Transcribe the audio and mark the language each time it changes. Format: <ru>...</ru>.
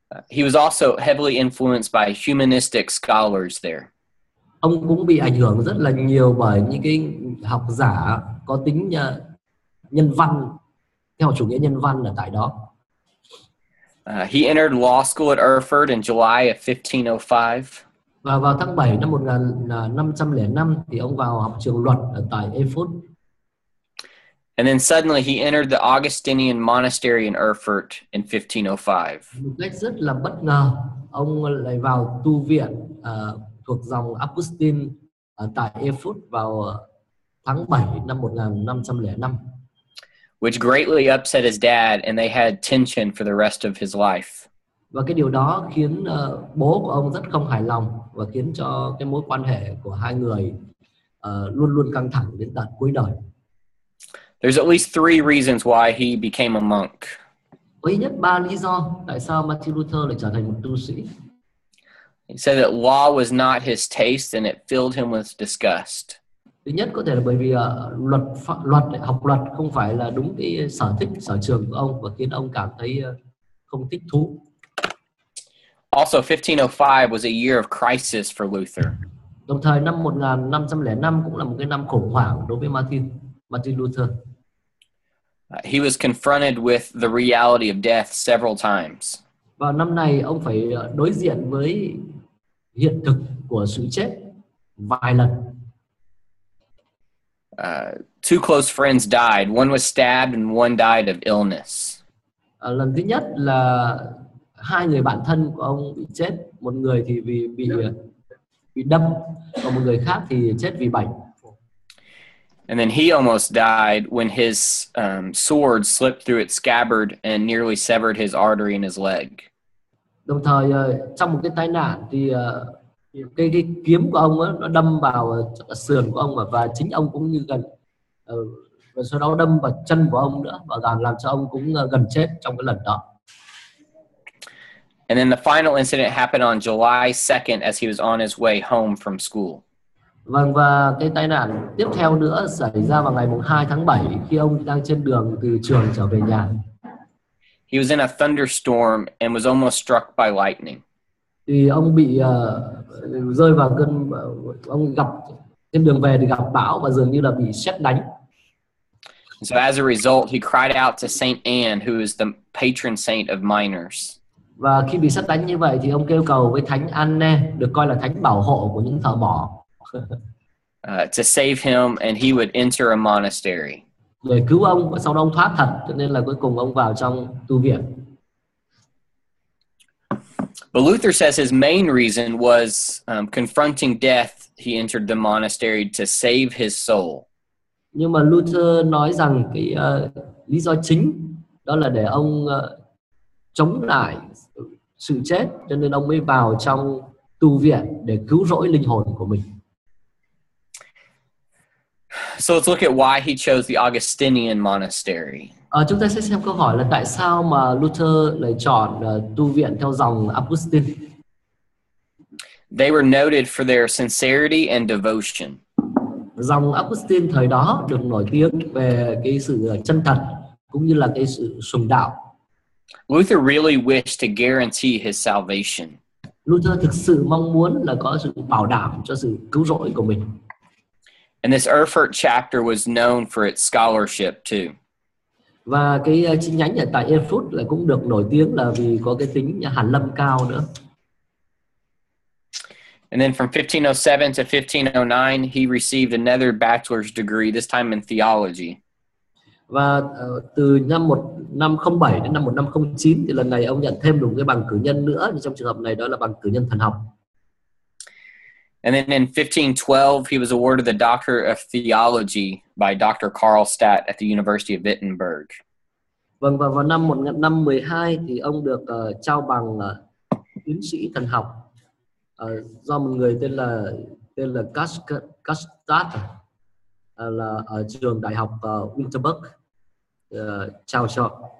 <en>He was also heavily influenced by humanistic scholars there.</en> <vi>Ông cũng bị ảnh hưởng rất là nhiều bởi những cái học giả có tính nhân văn, theo chủ nghĩa nhân văn ở tại đó.</vi> <en>He entered law school at Erfurt in July of 1505.</en> <vi>Và vào tháng 7 năm 1505 thì ông vào học trường luật ở tại Erfurt.</vi> <en>And then suddenly he entered the Augustinian monastery in Erfurt in 1505.</en> <vi>Một cách rất là bất ngờ, ông lại vào tu viện thuộc dòng Augustine tại Erfurt vào tháng 7 năm 1505.</vi> <en>Which greatly upset his dad and they had tension for the rest of his life.</en> <vi>Và cái điều đó khiến bố của ông rất không hài lòng và khiến cho cái mối quan hệ của hai người luôn luôn căng thẳng đến tận cuối đời.</vi> <en>There's at least 3 reasons why he became a monk.</en> <vi>Có ít nhất 3 lý do tại sao Martin Luther lại trở thành một tu sĩ.</vi> <en>He said that law was not his taste and it filled him with disgust.</en> <vi>Thứ nhất có thể là bởi vì luật học luật không phải là đúng cái sở thích sở trường của ông và khiến ông cảm thấy không thích thú.</vi> <en>Also 1505 was a year of crisis for Luther.</en> <vi>Đồng thời năm 1505 cũng là một cái năm khủng hoảng đối với Martin Luther.</vi> <en>He was confronted with the reality of death several times.</en> <vi>Vào năm này ông phải đối diện với hiện thực của sự chết vài lần.</vi> <en>Two close friends died. One was stabbed and one died of illness.</en> <vi>Lần thứ nhất là hai người bạn thân của ông bị chết, một người thì vì bị đâm, còn một người khác thì chết vì bệnh.</vi> <en>And then he almost died when his sword slipped through its scabbard and nearly severed his artery in his leg.</en> <vi>Đồng thời trong một cái tai nạn thì cái kiếm của ông ấy, nó đâm vào sườn của ông ấy, và chính ông cũng như gần và sau đó đâm vào chân của ông nữa và làm cho ông cũng gần chết trong cái lần đó.</vi> <en>And then the final incident happened on July 2nd as he was on his way home from school.</en> <vi>Vâng, và cái tai nạn tiếp theo nữa xảy ra vào ngày 2 tháng 7 khi ông đang trên đường từ trường trở về nhà.</vi> <en>He was in a thunderstorm and was almost struck by lightning.</en> <vi>Thì ông bị rơi vào cơn ông gặp trên đường về thì gặp bão và dường như là bị sét đánh.</vi> <en>So as a result, he cried out to Saint Anne, who is the patron saint of miners.</en> <vi>Và khi bị sét đánh như vậy thì ông kêu cầu với thánh Anne, được coi là thánh bảo hộ của những thợ mỏ.</vi> <en>To save him, and he would enter a monastery.</en> <vi>Để cứu ông, và sau đó ông thoát thật, cho nên là cuối cùng ông vào trong tu viện.</vi> <en>But Luther says his main reason was confronting death. He entered the monastery to save his soul.</en> <vi>Nhưng mà Luther nói rằng cái lý do chính đó là để ông chống lại sự chết, cho nên ông mới vào trong tu viện để cứu rỗi linh hồn của mình.</vi> <en>So let's look at why he chose the Augustinian monastery.</en> <vi>Chúng ta sẽ xem câu hỏi là tại sao mà Luther lại chọn tu viện theo dòng Augustine.</vi> <en>They were noted for their sincerity and devotion.</en> <vi>Dòng Augustine thời đó được nổi tiếng về cái sự chân thật cũng như là cái sự sùng đạo.</vi> <en>Luther really wished to guarantee his salvation.</en> <vi>Luther thực sự mong muốn là có sự bảo đảm cho sự cứu rỗi của mình.</vi> <en>And this Erfurt chapter was known for its scholarship too.</en> <vi>Và cái chi nhánh ở tại Erfurt là cũng được nổi tiếng là vì có cái tính hàn lâm cao nữa.</vi> <en>And then from 1507 to 1509, he received another bachelor's degree, this time in theology.</en> <vi>Và từ năm 1507 đến năm 1509 thì lần này ông nhận thêm đúng cái bằng cử nhân nữa. Trong trường hợp này đó là bằng cử nhân thần học.</vi> <en>And then in 1512, he was awarded the Doctor of Theology by Dr. Karlstadt at the University of Wittenberg.</en> <vi>Vâng, và vào năm 1512 thì ông được trao bằng tiến sĩ thần học. Do một người tên là Karlstadt là ở trường đại học Wittenberg trao cho.</vi>